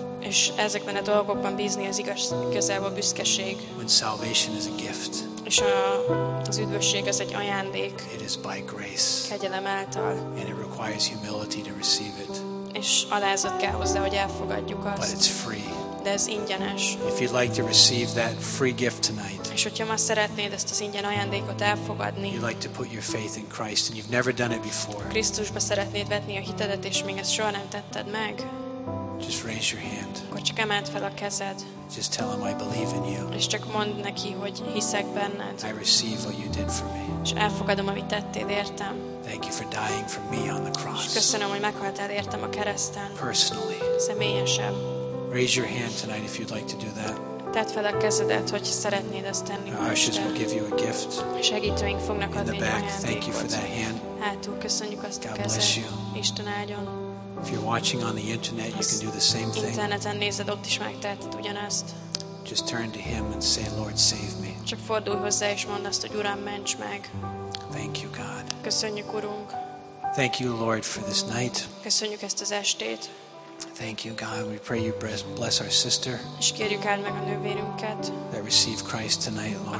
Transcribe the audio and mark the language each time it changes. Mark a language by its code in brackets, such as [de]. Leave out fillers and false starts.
[hu] És ezekben a dolgokban bízni az igaz, igazából büszkeség. [en] When salvation is a gift. [hu] És az üdvösség az egy ajándék. [en] It is by grace. [hu] Kegyelem által. [en] And it requires humility to receive it. [hu] És alázat kell hozzá, hogy elfogadjuk azt. [en] But it's free. [hu] De ez ingyenes. [en] If you'd like to receive that free gift tonight. [hu] És hogyha ma szeretnéd ezt az ingyen ajándékot elfogadni. [en] You'd like to put your faith in Christ and you've never done it before. [hu] Krisztusba szeretnéd vetni a hitedet, és még ezt soha nem tetted meg. [en] Just raise your hand. [hu] Akkor csak emeld fel a kezed. [en] Just tell him I believe in you. [hu] És csak mondd neki, hogy hiszek benned. [en] I receive what you did for me. [hu] És elfogadom, amit tettél értem. [en] Thank you for dying for me on the cross. [hu] És köszönöm, hogy meghaltál értem a kereszten. [en] Personally. [hu] Személyesen. [en] Raise your hand tonight if you'd like to do that. [hu] Tedd fel a kezedet, hogy szeretnéd ezt tenni. [en] Our ushers will give you a gift. [hu] Segítőink fognak adni egy ajándékot. [en] Thank you for that hand. [hu] Hátul köszönjük azt a kezed. [en] God bless you. [hu] Isten áldjon. [en] If you're watching on the internet, you can do the same thing. [hu] Interneten nézed, ott is megteheted ugyanezt. [en] Just turn to him and say, Lord, save me. [hu] Csak fordulj hozzá, és mondd azt, hogy Uram, ments meg. [en] Thank you, God. [hu] Köszönjük, Urunk. [en] Thank you, Lord, for this night. [hu] Köszönjük ezt az estét. [en] Thank you, God. We pray you bless our sister. [hu] És kérjük áld meg a nővérünket. [en] That received Christ tonight, Lord.